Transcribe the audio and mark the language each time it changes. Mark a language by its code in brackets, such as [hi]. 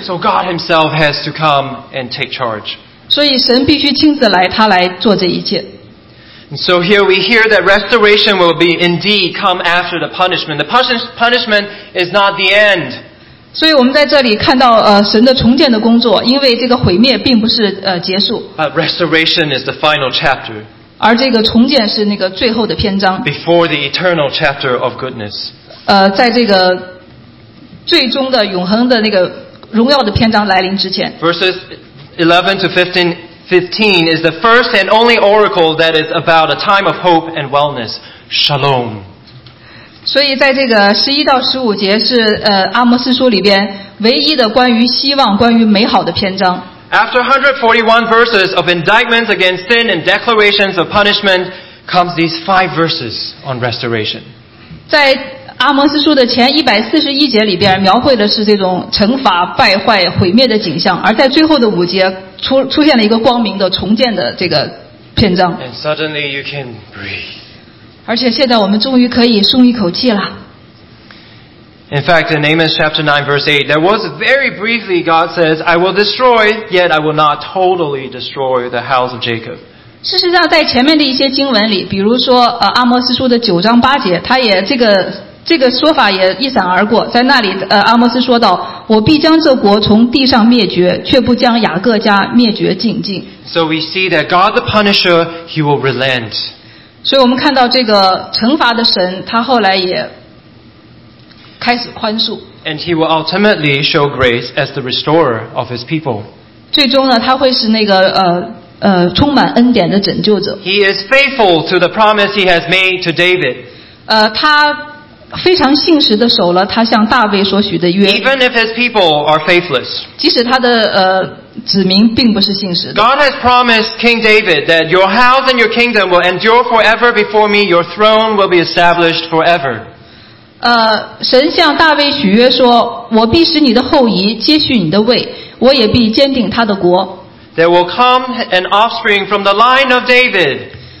[en] So God himself has to come and take charge [zh] 所以神必须亲自来，他来做这一切。 [en] So here we hear that restoration will be indeed come after the punishment. The punishment is not the end. [zh] 所以我们在这里看到神的重建的工作，因为这个毁灭并不是结束。 [en] But restoration is the final chapter. [zh] 而这个重建是那个最后的篇章。 [en] Before the eternal chapter of goodness. [zh] 在这个最终的永恒的那个荣耀的篇章来临之前。 [en] Verses 11 to 15. 15 is the first and only oracle that is about a time of hope and wellness. Shalom. [zh] 所以在这个11到15节是阿摩斯书里边唯一的关于希望、关于美好的篇章。 [en] After 141 verses of indictments against sin and declarations of punishment comes these 5 verses on restoration. [zh] 在阿摩斯书的前141节里边描绘的是这种惩罚、败坏、毁灭的景象，而在最后的5节出现了一个光明的重建的这个篇章。 [en] And suddenly you can breathe. [zh] 而且现在我们终于可以松一口气了。 [en] In fact, in Amos chapter 9 verse 8, there was very briefly God says, I will destroy, yet I will not totally destroy the house of Jacob. [zh] 事实上在前面的一些经文里，比如说阿摩斯书的9章8节，他也这个说法也一闪而过，在那里阿摩斯说道，我必将这国从地上灭绝，却不将雅各家灭绝尽尽。 [en] So we see that God the Punisher, he will relent. [zh] 所以我们看到这个惩罚的神，他后来也开始宽恕。 [en] And he will ultimately show grace as the restorer of his people. [zh] 最终呢，他会是那个充满恩典的拯救者。 [en] He is faithful to the promise he has made to David. [zh] 他非常信实地守了他向大卫所许的约。 [en] Even if his people are faithless, [zh] 即使他的子民并不是信实的。 [en] God has promised King David that your house and your kingdom will endure forever before me. Your throne will be established forever. [zh] 神向大卫许约说，我必使你的后裔接续你的位，我也必坚定他的国。 [en] There will come an offspring from the line of David.